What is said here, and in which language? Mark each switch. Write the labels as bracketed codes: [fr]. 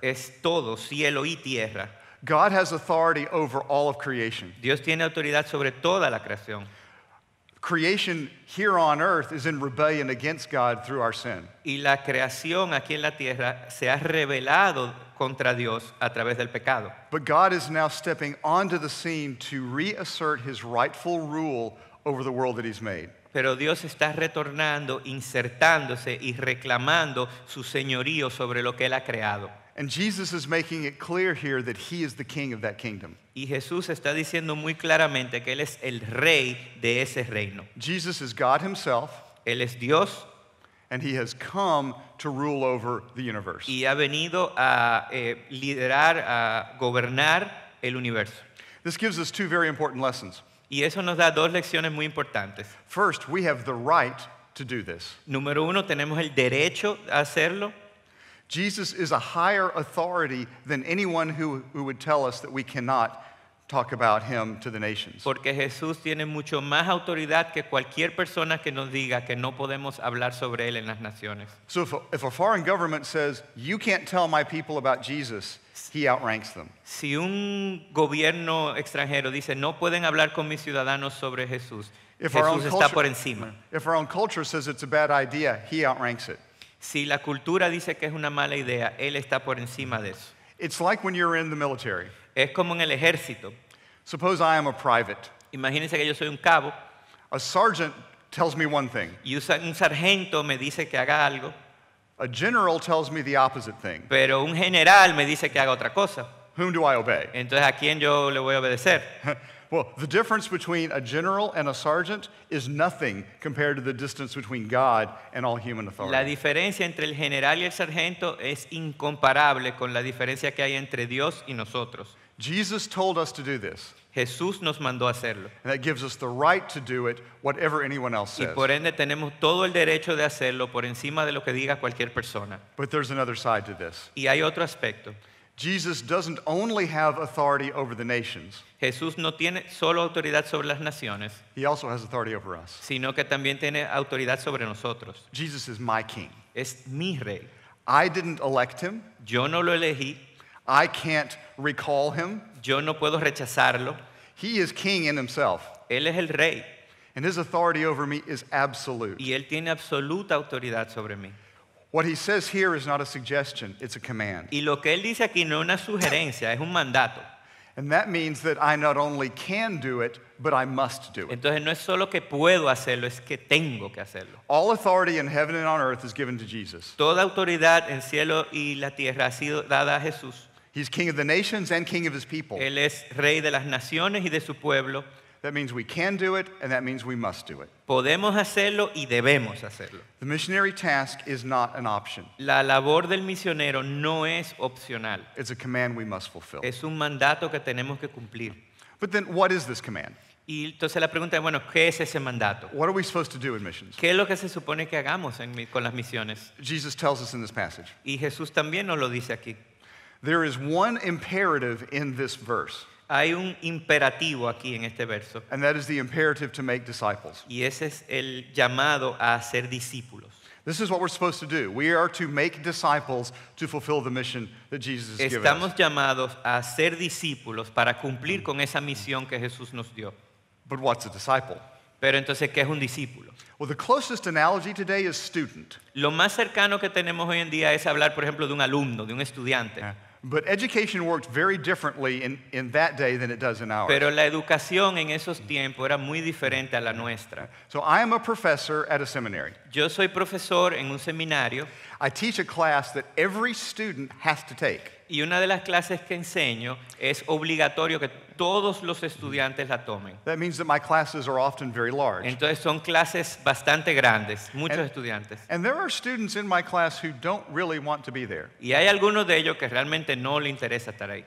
[es] Es todo, cielo y tierra. [en] God has authority over all of creation. [es] Dios tiene autoridad sobre toda la creación. [en] Creation here on earth is in rebellion against God through our sin. [es] Y la creación aquí en la tierra se ha rebelado contra Dios a través del pecado. [en] But God is now stepping onto the scene to reassert his rightful rule over the world that he's made. [es] Pero Dios está retornando, insertándose y reclamando su señorío sobre lo que él ha creado. [en] And Jesus is making it clear here that he is the king of that kingdom. [es] Y Jesús está diciendo muy claramente que él es el rey de ese reino. [en] Jesus is God himself. [es] Él es Dios. [en] And he has come to rule over the universe. [es] Y ha venido a liderar, a gobernar el universo. [en] This gives us two very important lessons. [es] Y eso nos da dos lecciones muy importantes. [en] First, we have the right to do this. [es] Número uno, tenemos el derecho a hacerlo. [en] Jesus is a higher authority than anyone who would tell us that we cannot talk about him to the nations. [es] Porque Jesús tiene mucho más autoridad que cualquier persona que nos diga que no podemos hablar sobre él en las naciones. [en] So if a foreign government says, you can't tell my people about Jesus, he outranks them. [es] Si un gobierno extranjero dice, no pueden hablar con mis ciudadanos sobre Jesús, Jesús está por encima. [en] If our own culture says it's a bad idea, he outranks it. [es] Si la cultura dice que es una mala idea, él está por encima de eso. [en] It's like when you're in the military. [es] Es como en el ejército. [en] Suppose I am a private. [es] Imagínense que yo soy un cabo. [en] A sergeant tells me one thing. [es] Y un sargento me dice que haga algo. [en] A general tells me the opposite thing. [es] Pero un general me dice que haga otra cosa. [en] Whom do I obey? [es] Entonces, ¿a quién yo le voy a obedecer? [en] Well, the difference between a general and a sergeant is nothing compared to the distance between God and all human authority. [es] La diferencia entre el general y el sargento es incomparable con la diferencia que hay entre Dios y nosotros. [en] Jesus told us to do this. [es] Jesús nos mandó hacerlo. [en] And that gives us the right to do it, whatever anyone else says. [es] Y por ende tenemos todo el derecho de hacerlo por encima de lo que diga cualquier persona. [en] But there's another side to this. [es] Y hay otro aspecto. [en] Jesus doesn't only have authority over the nations. [es] Jesús no tiene solo autoridad sobre las naciones. [en] He also has authority over us. [es] Sino que también tiene autoridad sobre nosotros. [en] Jesus is my king. [es] Es mi rey. [en] I didn't elect him. [es] Yo no lo elegí. [en] I can't recall him. [es] Yo no puedo rechazarlo. [en] He is king in himself. [es] Él es el rey. [en] And his authority over me is absolute. [es] Y él tiene absoluta autoridad sobre mí. [en] What he says here is not a suggestion, it's a command. [es] Y lo que él dice aquí no es una sugerencia, es un mandato. [en] And that means that I not only can do it, but I must do it. [es] Entonces no es solo que puedo hacerlo, es que tengo que hacerlo. [en] All authority in heaven and on earth is given to Jesus. [es] Toda autoridad en cielo y la tierra ha sido dada a Jesús. [en] He's king of the nations and king of his people. [es] Él es rey de las naciones y de su pueblo. [en] That means we can do it, and that means we must do it. [es] Podemos hacerlo y debemos hacerlo. [en] The missionary task is not an option. [es] La labor del misionero no es opcional. [en] It's a command we must fulfill. [es] Es un mandato que tenemos que cumplir. [en] But then, what is this command? [es] Y entonces la pregunta es, bueno, ¿qué es ese mandato? [en] What are we supposed to do in missions? [es] ¿Qué es lo que se supone que hagamos con las misiones? [en] Jesus tells us in this passage. [es] Y Jesús también nos lo dice aquí. [en] There is one imperative in this verse. [es] Hay un imperativo aquí en este verso. [en] And that is the imperative to make disciples. [es] Y ese es el llamado a hacer discípulos. [en] This is what we're supposed to do. We are to make disciples to fulfill the mission that Jesus has given us. [es] Estamos llamados a ser discípulos para cumplir con esa misión que Jesús nos dio. [en] But what's a disciple? [es] Pero entonces, ¿qué es un discípulo? [en] Well, the closest analogy today is student. [es] Lo más cercano que tenemos hoy en día es hablar, por ejemplo, de un alumno, de un estudiante. [en] But education worked very differently in that day than it does in ours. [es] Pero la educación en esos tiempos era muy diferente a la nuestra. [en] So I am a professor at a seminary. [es] Yo soy profesor en un seminario. [en] I teach a class that every student has to take. [es] Y una de las clases que enseño es obligatorio que todos los estudiantes la tomen. [en] That means that my classes are often very large. [es] Entonces son clases bastante grandes, muchos estudiantes. [en] And there are students in my class who don't really want to be there. [es] Y hay algunos de ellos que realmente no le interesa estar ahí.